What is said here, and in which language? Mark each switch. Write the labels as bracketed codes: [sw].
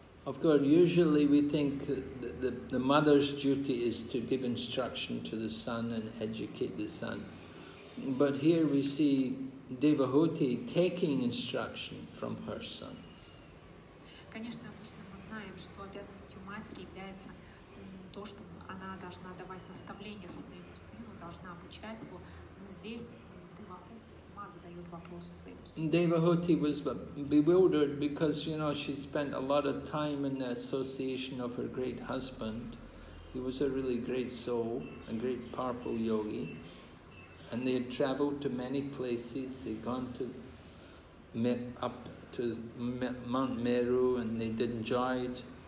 [en] Of course, usually we think the mother's duty is to give instruction to the son and educate the son, but here we see Devahuti taking instruction from her son. [ru] Конечно, обычно мы знаем, что обязанностью матери является то, что она должна давать наставления своему сыну, должна обучать его. Но здесь Девахути сама задает вопросы своему сыну. [en] Devahuti was bewildered because, you know, she spent a lot of time in the association of her great husband. He was a really great soul, a great powerful yogi. And they had traveled to many places. They'd gone to up to Mount Meru, and they'd enjoyed